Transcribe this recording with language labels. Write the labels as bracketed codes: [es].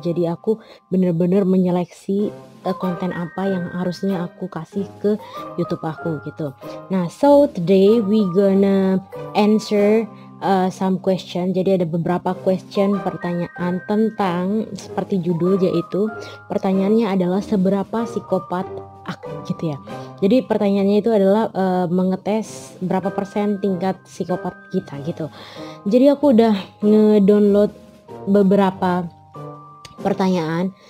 [id] Jadi aku benar-benar menyeleksi konten apa yang harusnya aku kasih ke YouTube aku gitu. [en] Nah, so today we gonna answer some question. [id] Jadi ada beberapa question, pertanyaan tentang seperti judul, yaitu pertanyaannya adalah seberapa psikopat aku gitu ya. Jadi pertanyaannya itu adalah mengetes berapa persen tingkat psikopat kita gitu. Jadi aku udah ngedownload beberapa pertanyaan.